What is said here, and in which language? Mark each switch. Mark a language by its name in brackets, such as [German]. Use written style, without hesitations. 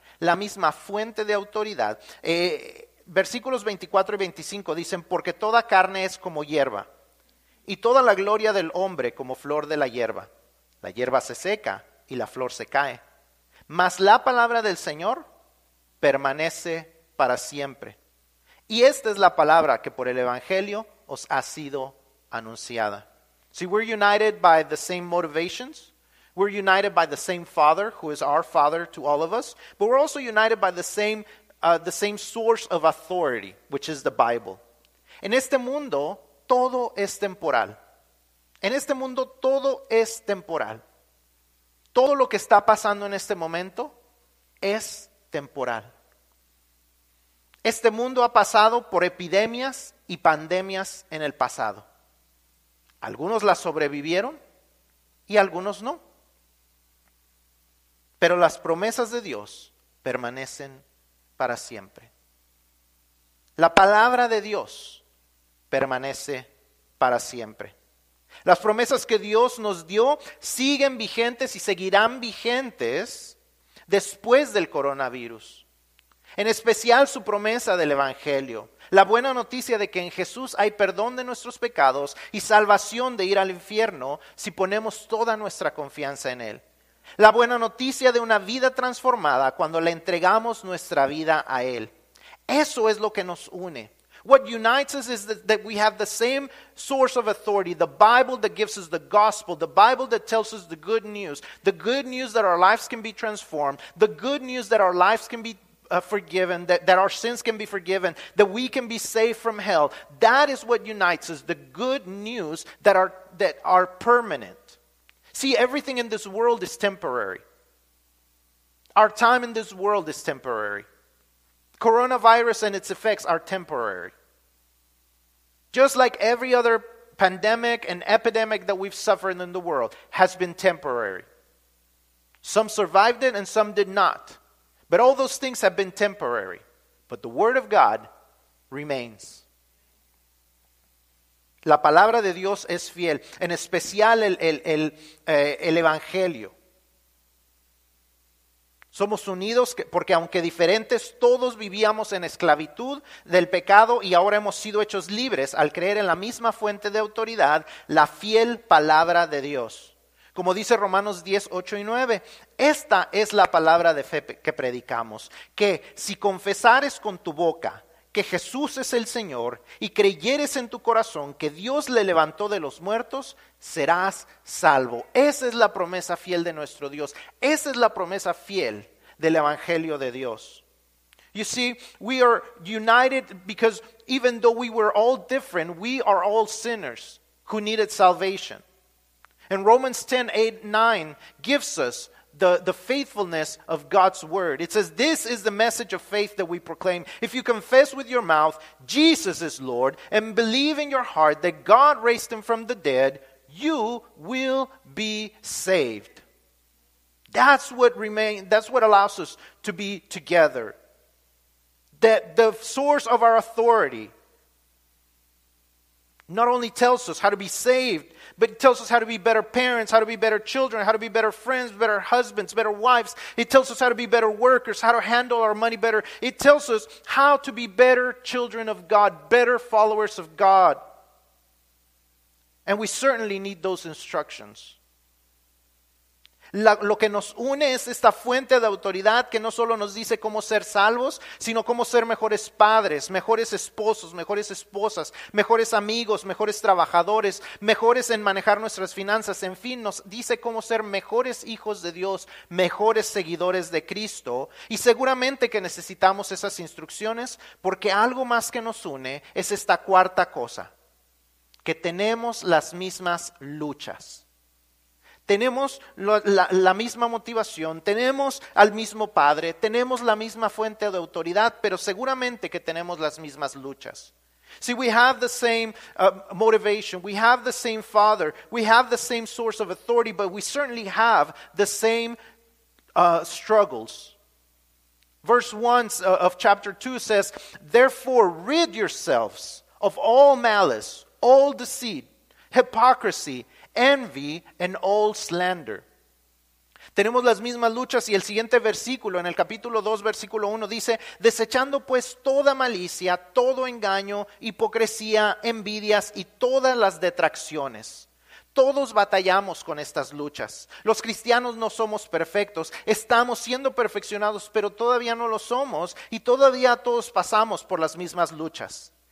[Spanish] La misma fuente de autoridad. Versículos 24 y 25 dicen, porque toda carne es como hierba, y toda la gloria del hombre como flor de la hierba. La hierba se seca y la flor se cae. Mas la palabra del Señor permanece para siempre. Y esta es la palabra que por el Evangelio os ha sido anunciada. [English] See, we're united by the same motivations. We're united by the same Father, who is our Father to all of us. But we're also united by the same source of authority, which is the Bible. [Spanish] En este mundo, todo es temporal. En este mundo, todo es temporal. Todo lo que está pasando en este momento es temporal. Este mundo ha pasado por epidemias y pandemias en el pasado. Algunos las sobrevivieron y algunos no. Pero las promesas de Dios permanecen para siempre. La palabra de Dios permanece para siempre. Las promesas que Dios nos dio siguen vigentes y seguirán vigentes después del coronavirus. En especial su promesa del Evangelio. La buena noticia de que en Jesús hay perdón de nuestros pecados y salvación de ir al infierno si ponemos toda nuestra confianza en Él. La buena noticia de una vida transformada cuando le entregamos nuestra vida a Él. Eso es lo que nos une. [English] What unites us is that we have the same source of authority, the Bible that gives us the gospel, the Bible that tells us the good news that our lives can be transformed, the good news that our lives can be forgiven, that our sins can be forgiven, that we can be saved from hell. That is what unites us, the good news that are permanent. See, everything in this world is temporary. Our time in this world is temporary. Coronavirus and its effects are temporary. Just like every other pandemic and epidemic that we've suffered in the world has been temporary. Some survived it and some did not. But all those things have been temporary. But the word of God remains. [Spanish] La palabra de Dios es fiel, en especial el Evangelio. Somos unidos porque aunque diferentes, todos vivíamos en esclavitud del pecado y ahora hemos sido hechos libres al creer en la misma fuente de autoridad, la fiel palabra de Dios. Como dice Romanos 10, 8 y 9, esta es la palabra de fe que predicamos, que si confesares con tu boca que Jesús es el Señor y creyeres en tu corazón que Dios le levantó de los muertos, serás salvo. Esa es la promesa fiel de nuestro Dios. Esa es la promesa fiel del Evangelio de Dios. [English] You see, we are united because even though we were all different, we are all sinners who needed salvation. And Romans 10, 8, 9 gives us the faithfulness of God's word. It says, this is the message of faith that we proclaim. If you confess with your mouth, Jesus is Lord, and believe in your heart that God raised him from the dead, you will be saved. That's what allows us to be together. That the source of our authority not only tells us how to be saved, but it tells us how to be better parents, how to be better children, how to be better friends, better husbands, better wives. It tells us how to be better workers, how to handle our money better. It tells us how to be better children of God, better followers of God. And we certainly need those instructions. [Spanish] Lo que nos une es esta fuente de autoridad que no solo nos dice cómo ser salvos, sino cómo ser mejores padres, mejores esposos, mejores esposas, mejores amigos, mejores trabajadores, mejores en manejar nuestras finanzas. En fin, nos dice cómo ser mejores hijos de Dios, mejores seguidores de Cristo. Y seguramente que necesitamos esas instrucciones porque algo más que nos une es esta cuarta cosa, que tenemos las mismas luchas. Tenemos la misma motivación, tenemos al mismo Padre, tenemos la misma fuente de autoridad, pero seguramente que tenemos las mismas luchas. [English] See, we have the same motivation, we have the same Father, we have the same source of authority, but we certainly have the same struggles. Verse 1 of chapter 2 says, therefore rid yourselves of all malice, all deceit, hypocrisy, envy and all slander. [Spanish] Tenemos las mismas luchas y el siguiente versículo en el capítulo 2, versículo 1 dice, desechando pues toda malicia, todo engaño, hipocresía, envidias y todas las detracciones. Todos batallamos con estas luchas. Los cristianos no somos perfectos, estamos siendo perfeccionados, pero todavía no lo somos y todavía todos pasamos por las mismas luchas.